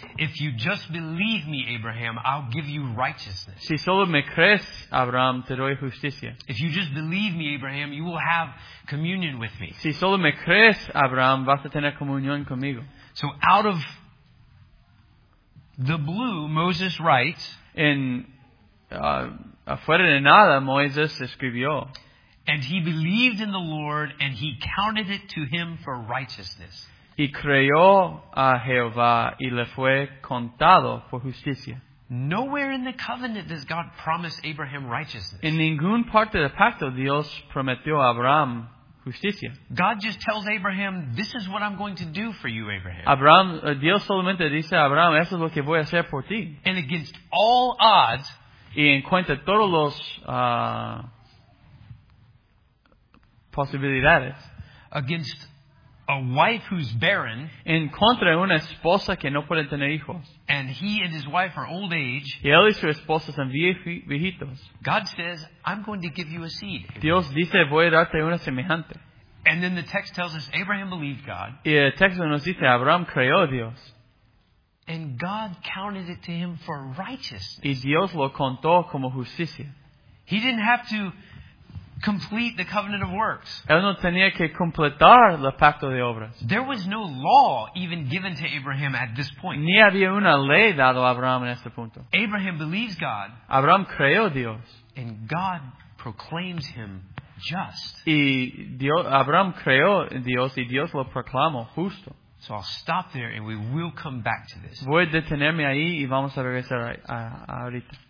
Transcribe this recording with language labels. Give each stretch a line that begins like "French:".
English: If you just believe me, Abraham, I'll give you righteousness.
Spanish: Si solo me crees, Abraham, te doy justicia.
English: If you just believe me, Abraham, you will have communion with me.
Spanish: Si solo me crees, Abraham, vas a tener comunión conmigo.
English: So out of the blue, Moses writes,
Spanish: afuera de nada, Moisés escribió,
English: and he believed in the Lord, and he counted it to him for righteousness.
Spanish: Y creyó a Jehová, y le fue contado por justicia.
English: Nowhere in the covenant does God promise Abraham righteousness.
Spanish: En ningún parte del pacto Dios prometió a Abraham justicia.
English: God just tells Abraham, "This is what I'm going to do for you, Abraham."
Spanish: Abraham, Dios solamente dice a Abraham, "Eso es lo que voy a hacer por ti."
English: And against all odds,
Spanish: y en cuenta todos los posibilidades,
English: against a wife who's barren,
Spanish: en contra de una esposa que no puede tener hijos,
English: and he and his wife are old age,
Spanish: y él y su esposa son viejitos,
English: God says, "I'm going to give you a seed."
Spanish: Dios dice, voy a darte una semejante.
English: And then the text tells us Abraham believed God.
Spanish: Y el texto nos dice Abraham creyó a Dios.
English: And God counted it to him for righteousness.
Spanish: Y Dios lo contó como justicia.
English: He didn't have to complete the covenant of works.
Spanish: Él no tenía que completar el pacto de obras.
English: There was no law even given to Abraham at this point.
Spanish: Ni había una ley dado a Abraham en este punto.
English: Abraham believes God.
Spanish: Abraham creyó Dios.
English: And God proclaims him just.
Spanish: Y Dios, Abraham creyó Dios y Dios lo proclamó justo.
English: So I'll stop there and we will come back to this.
Spanish: Voy a detenerme ahí y vamos a regresar ahorita.